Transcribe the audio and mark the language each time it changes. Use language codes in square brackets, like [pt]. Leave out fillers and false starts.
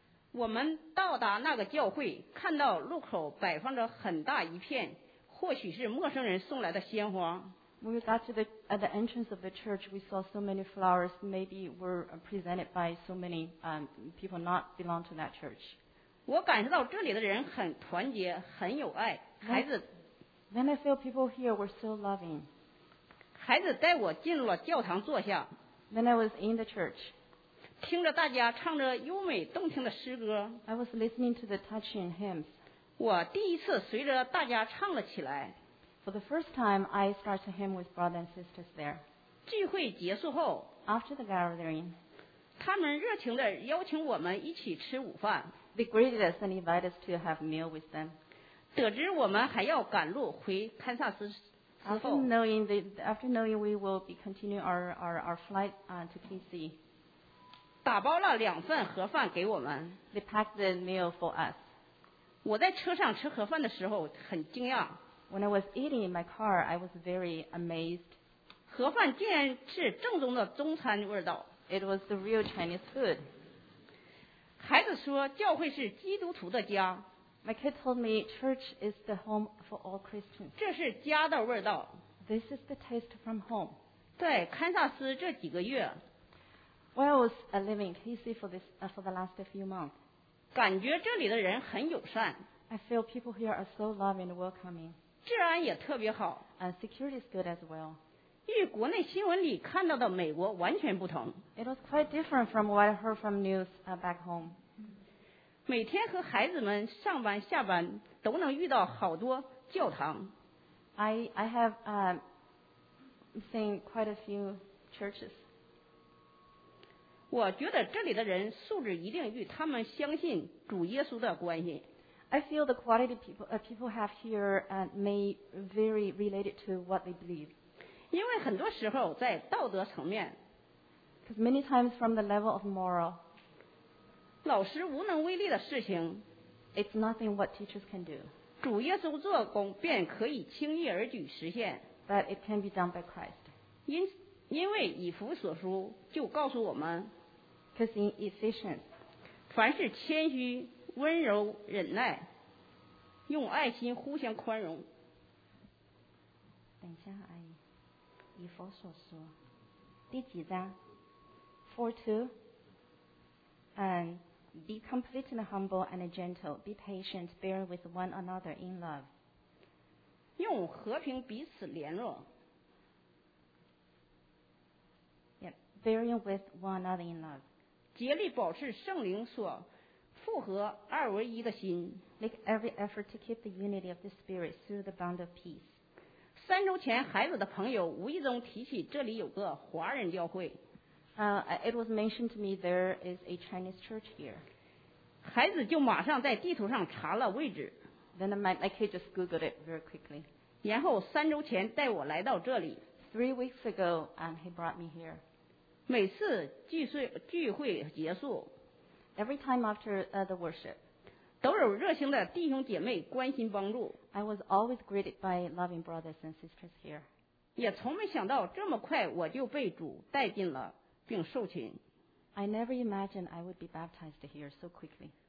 [zh] 我们到达那个教会，看到路口摆放着很大一片，或许是陌生人送来的鲜花。 [en] When we got to the at the entrance of the church, we saw so many flowers. Maybe were presented by so many people not belong to that church. [zh] 我感受到这里的人很团结，很有爱，孩子。 [en] Then I feel people here were so loving. [zh] 孩子带我进入了教堂坐下。 [en] Then I was in the church. [zh] 听着大家唱着优美动听的诗歌。 [en] I was listening to the touching hymns. [zh] 我第一次随着大家唱了起来。 [en] For the first time, I started to hymn with brothers and sisters there. [zh] 聚会结束后。 [en] After the gathering. [zh] 他们热情地邀请我们一起吃午饭。 [en] They greeted us and invited us to have a meal with them. [zh] 得知我们还要赶路回堪萨斯之后 [en] after knowing we will be continuing our flight to KC, [zh] 打包了两份盒饭给我们。 [en] They packed the meal for us. [zh] 我在车上吃盒饭的时候很惊讶。 [en] When I was eating in my car, I was very amazed. [zh] 盒饭竟然是正宗的中餐味道。 [en] It was the real Chinese food. [zh] 孩子说教会是基督徒的家。 [en] My kid told me church is the home for all Christians. [zh] 这是家的味道。 [en] This is the taste from home. [zh] 在堪萨斯这几个月。 [en] While I was living in KC for the last few months. [zh] 感觉这里的人很友善。 [en] I feel people here are so loving and welcoming. [zh] 治安也特别好。 [en] And security is good as well. [zh] 与国内新闻里看到的美国完全不同。 [en] It was quite different from what I heard from news back home. [zh] 每天和孩子们上班下班都能遇到好多教堂。 [en] I have seen quite a few churches. [zh] 我觉得这里的人素质一定与他们相信主耶稣的关系。 [en] I feel the quality people have here may very related to what they believe. [zh] 因为很多时候在道德层面。 [en] Because many times from the level of moral. [zh] 老师无能为力的事情 [en] It's nothing what teachers can do. [zh] 主耶稣做工便可以轻易而举实现 [en] But it can be done by Christ. [zh] 因为以弗所书就告诉我们 [en] Because in Ephesians, [zh] 凡是谦虚、温柔、忍耐，用爱心互相宽容。等一下，阿姨，以弗所书第几章 [en] 4:2And be complete and humble and gentle. Be patient, bearing with one another in love. [zh] 用和平彼此联络。 [en] Yep, bearing with one another in love. [zh] 竭力保持圣灵所复合二为一的心。 [en] Make every effort to keep the unity of the spirit through the bond of peace. [zh] 三周前，孩子的朋友无意中提起这里有个华人教会。 [en] It was mentioned to me there is a Chinese church here. [zh] 孩子就马上在地图上查了位置。 [en] Then my kid just googled it very quickly. [zh] 然后三周前带我来到这里。 [en] 3 weeks ago, he brought me here. [zh] 每次聚会结束。 [en] Every time after the worship. [zh] 都有热心的弟兄姐妹关心帮助。 [en] I was always greeted by loving brothers and sisters here. [zh] 也从没想到这么快我就被主带进了。并受浸。 [en] I never imagined I would be baptized here so quickly.